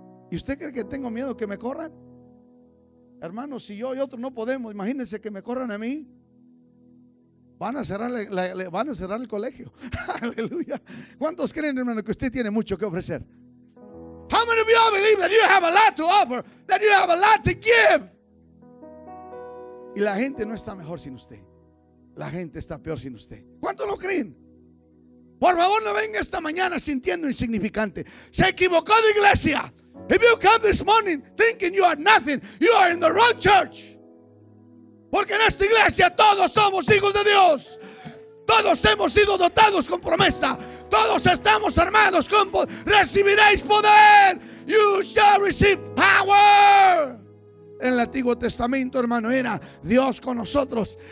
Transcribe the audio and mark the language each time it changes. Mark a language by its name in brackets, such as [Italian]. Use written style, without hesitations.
[Spanish] ¿Y usted cree que tengo miedo que me corran? Hermano, si yo y otro no podemos, imagínense que me corran a mí. Van a cerrar el colegio. Aleluya. ¿Cuántos creen, hermano, que usted tiene mucho que ofrecer? [English] How many of you all believe that you have a lot to offer, that you have a lot to give? [Spanish] Y la gente no está mejor sin usted. La gente está peor sin usted. ¿Cuántos lo creen? Por favor, no venga esta mañana sintiendo insignificante. Se equivocó de iglesia. [English] If you come this morning thinking you are nothing, you are in the wrong church. [Spanish] Porque en esta iglesia todos somos hijos de Dios. Todos hemos sido dotados con promesa. Todos estamos armados con poder. Recibiréis poder. [English] You shall receive power. [Spanish] En el Antiguo Testamento, hermano, era Dios con nosotros.